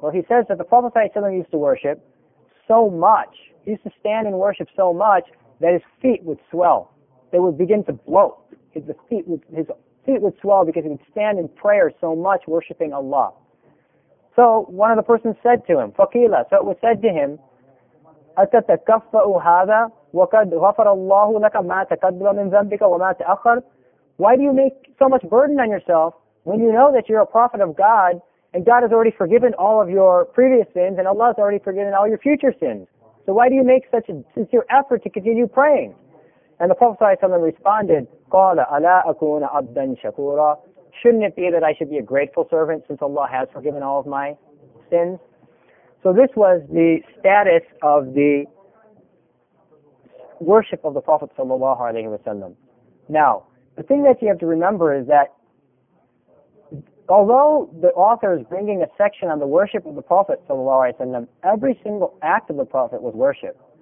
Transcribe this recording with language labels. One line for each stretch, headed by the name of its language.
English: Well, he says that the Prophet ﷺ used to worship so much. He used to stand and worship so much that his feet would swell. They would begin to bloat. His feet would swell because he would stand in prayer so much worshiping Allah. So one of the persons said to him,
Arabic: فَقِيلَ.
English: So it was said to him,
Arabic: أَتَتَكَفَّأُ هَذَا وَقَدْ غَفَرَ اللَّهُ لَكَ مَا تَكَدُّلَ مِنْ ذَنْبِكَ وَمَا تَأَخَرَ.
English: Why do you make so much burden on yourself when you know that you're a prophet of God and God has already forgiven all of your previous sins and Allah has already forgiven all your future sins? So why do you make such a sincere effort to continue praying? And the Prophet ﷺ responded,
Arabic: قَالَ أَلَا أَكُونَ عَبْدًا شَكُورًا.
English: Shouldn't it be that I should be a grateful servant since Allah has forgiven all of my sins? So this was the status of the worship of the Prophet sallallahu alaihi wasallam. Now, the thing that you have to remember is that although the author is bringing a section on the worship of the Prophet sallallahu alaihi wasallam, every single act of the Prophet was worship.